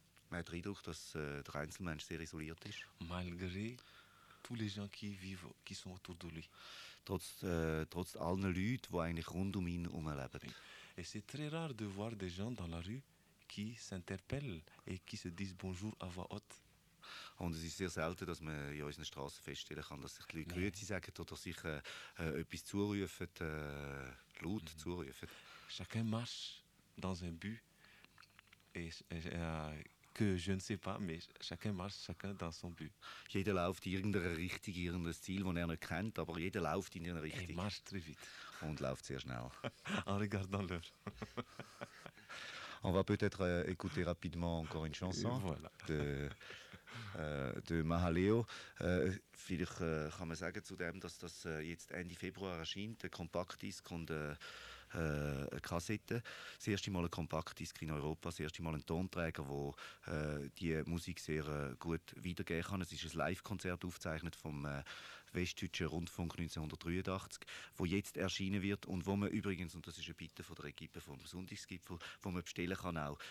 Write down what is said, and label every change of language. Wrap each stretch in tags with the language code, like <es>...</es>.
<de>Man hat den Eindruck, dass der Einzelmensch sehr isoliert ist.</de> <fr>Malgré tous les gens qui vivent, qui sont autour de lui.</fr> <de>Trotz allen Leuten, die eigentlich rund um ihn herum leben.</de> <fr>Oui. Et c'est très rare de voir des gens dans la rue qui s'interpellent et qui se disent bonjour à voix haute.</fr> <de>Und es ist sehr selten, dass man in unseren Strassen feststellen kann, dass sich die Leute Grüezi sagen oder sich etwas zurufen, laut zurufen.</de> <fr>Chacun marche dans un but et, que je ne sais pas, mais chacun marche chacun dans son but.</fr> <de>Jeder läuft in irgendeiner Richtung, irgendein Ziel, das er nicht kennt, aber jeder läuft in irgendeiner Richtung.</de> <fr>Et marche très vite.</fr> <de>Und läuft sehr schnell.</de> <fr>En regardant l'heure. On va peut-être écouter rapidement encore une chanson de Mahaleo.</fr> <de>Vielleicht kann man sagen zu dem, dass das jetzt Ende Februar erscheint, ein Kompaktdisk und eine Kassette. Das erste Mal ein Kompaktdisk in Europa, das erste Mal ein Tonträger, der die Musik sehr gut wiedergeben kann. Es ist ein Live-Konzert aufgezeichnet vom Westdeutschen Rundfunk 1983, wo jetzt erschienen wird und wo man übrigens, und das ist eine Bitte von der Equipe vom Sonntagsgipfel, wo man bestellen kann auch.</de>